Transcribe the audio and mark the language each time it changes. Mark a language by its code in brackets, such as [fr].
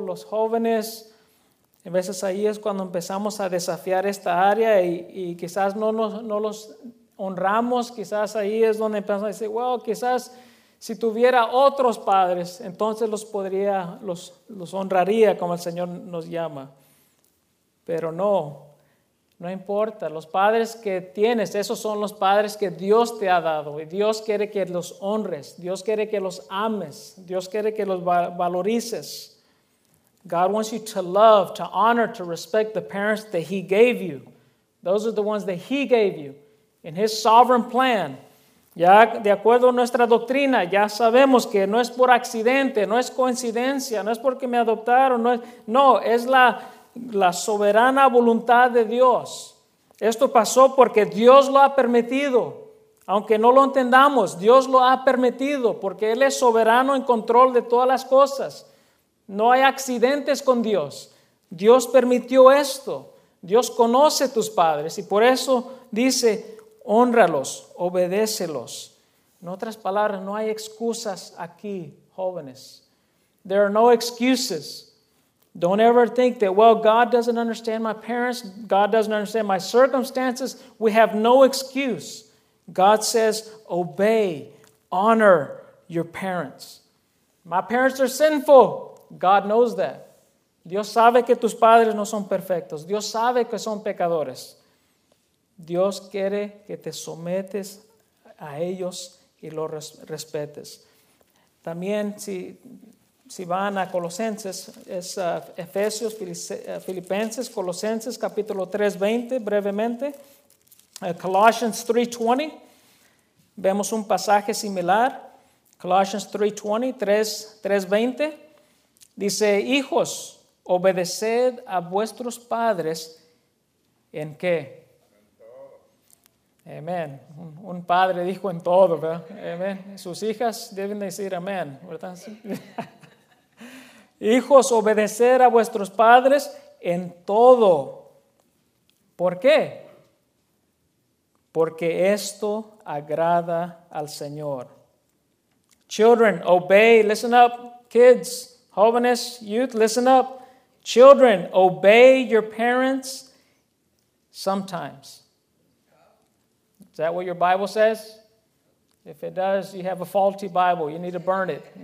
[es] Los jóvenes, a veces ahí es cuando empezamos a desafiar esta área y quizás no los honramos, quizás ahí es donde empezamos a decir, wow, quizás si tuviera otros padres, entonces los honraría como el Señor nos llama. Pero no. No importa, los padres que tienes, esos son los padres que Dios te ha dado. Y Dios quiere que los honres, Dios quiere que los ames, Dios quiere que los valorices. [en] God wants you to love, to honor, to respect the parents that he gave you. Those are the ones that he gave you in his sovereign plan. [es] Ya de acuerdo a nuestra doctrina, ya sabemos que no es por accidente, no es coincidencia, no es porque me adoptaron, es la soberana voluntad de Dios. Esto pasó porque Dios lo ha permitido. Aunque no lo entendamos, Dios lo ha permitido porque Él es soberano en control de todas las cosas. No hay accidentes con Dios. Dios permitió esto. Dios conoce a tus padres y por eso dice, hónralos, obedécelos. En otras palabras, no hay excusas aquí, jóvenes. [en] There are no excuses. Don't ever think that, well, God doesn't understand my parents. God doesn't understand my circumstances. We have no excuse. God says, obey, honor your parents. My parents are sinful. God knows that. [es] Dios sabe que tus padres no son perfectos. Dios sabe que son pecadores. Dios quiere que te sometes a ellos y los respetes. También, si van a Colosenses, es Efesios, Filipenses, Colosenses, capítulo 3, 20, brevemente. [en] Colossians 3, 20. [es] Vemos un pasaje similar. Colossians 3, 20, 3:20. Dice, hijos, obedeced a vuestros padres, ¿en qué? Amén. Un padre dijo en todo, ¿verdad? Amén. Sus hijas deben decir amén, ¿verdad? Hijos, obedecer a vuestros padres en todo. ¿Por qué? Porque esto agrada al Señor. [en] Children, obey. Listen up, kids, jóvenes, youth, listen up. Children, obey your parents sometimes. Is that what your Bible says? If it does, you have a faulty Bible. You need to burn it.